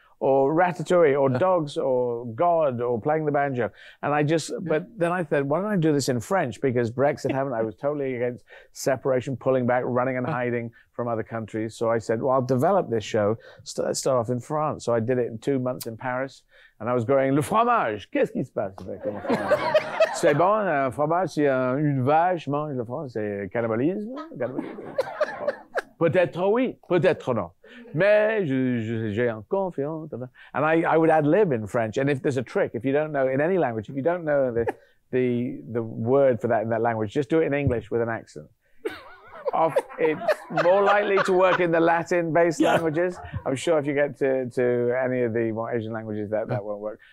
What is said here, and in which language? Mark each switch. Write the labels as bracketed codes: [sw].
[en] or Ratatouille or dogs or God or playing the banjo. And I just, but then I said, why don't I do this in French? Because Brexit happened. I was totally against separation, pulling back, running and hiding from other countries. So I said, well, I'll develop this show. Let's start off in France. So I did it in 2 months in Paris. And I was growing, [fr] le fromage, qu'est-ce qui se passe avec le fromage? C'est bon, un fromage, si une vache mange le fromage, c'est cannibalisme? Peut-être oui, peut-être non. Mais j'ai un confiant. [en] And I would ad lib in French. And if there's a trick, if you don't know in any language, if you don't know the word for that in that language, just do it in English with an accent. It's more likely to work in the Latin-based languages. I'm sure if you get to any of the more Asian languages, that won't work.